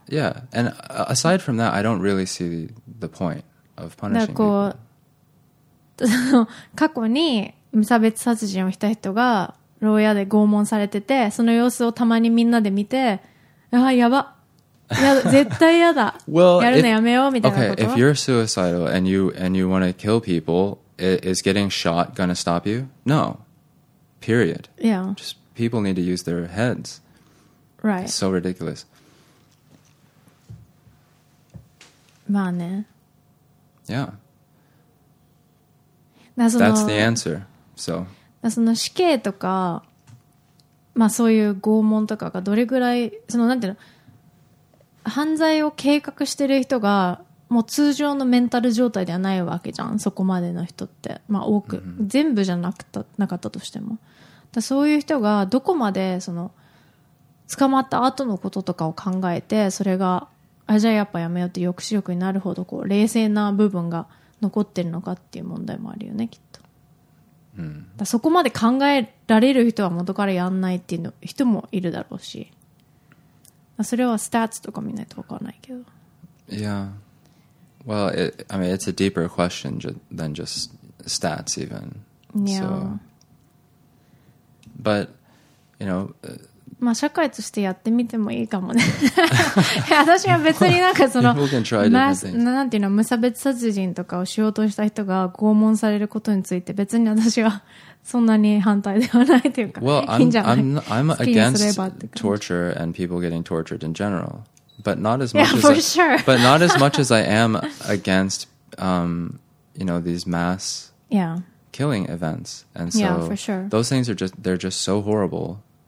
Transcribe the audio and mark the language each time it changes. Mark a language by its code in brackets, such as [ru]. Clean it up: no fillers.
[en] Yeah, and aside from that, I don't really see the point of punishing people. [ja] 過去に無差別殺人をした人が牢屋で拷問されてて、その様子をたまにみんなで見て、ああ、やば。や、絶対やだ。 well, やるのやめようみたいなこと。 [en] Okay, if you're suicidal and you want to kill people, is getting shot gonna stop you? No. Period. Yeah. Just people need to use their heads. Right. So ridiculous. まあね。 Yeah. That's the answer. So. [ja] その死刑とか、まあそういう拷問とかがどれぐらい、そのなんていうの、犯罪を計画してる人がもう通常のメンタル状態ではないわけじゃん。そこまでの人って、まあ多く、mm-hmm. 全部じゃなくたなかったとしても、だそういう人がどこまでその捕まった後のこととかを考えて、それがあじゃあやっぱやめようって抑止力になるほどこう冷静な部分が残ってるのかっていう問題もあるよねきっと、うん、だそこまで考えられる人は元からやんないっていうの人もいるだろうし、だそれはスタッツとか見ないと分からないけど、いや、yeah. [en] Well, it, I mean, it's a deeper question than just stats even、 yeah. So But, you know、 [ja] まあ、社会としてやってみてもいいかもね私は別になんかその なんていうの、無差別殺人とかをしようとした人が拷問されることについて別に私はそんなに反対ではないというか、 well, いいんじゃない [en] I'm against torture and people getting tortured in general, but not as much, yeah, as, for sure. but not as, much as I am against、you know, these mass、 yeah. killing events and so yeah, for sure. those things are just, they're just so horrible、